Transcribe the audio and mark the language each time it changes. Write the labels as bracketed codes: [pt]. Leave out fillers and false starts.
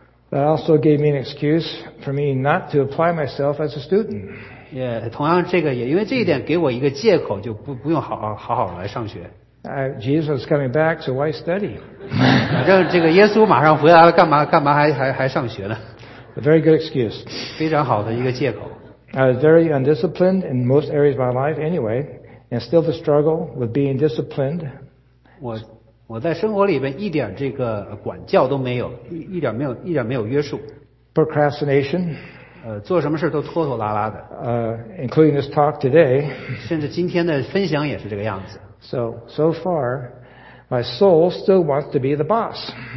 [en] That also gave me an excuse for me not to apply myself as a student. [zh] 也同样，这个也因为这一点给我一个借口，就不用好好来上学。 [en] Jesus is coming back, so why study? [zh] 反正这个耶稣马上回来了，干嘛还上学呢？ [en] A very good excuse. [zh] 非常好的一个借口。 [en] I was very undisciplined in most areas of my life anyway, and still the struggle with being disciplined. [zh] 我在生活里边一点这个管教都没有，一点没有约束。 [en] Procrastination. [zh] 做什么事都拖拖拉拉的。 [en] Including this talk today. [zh] 甚至今天的分享也是这个样子。 [en] So far, my soul still wants to be the boss.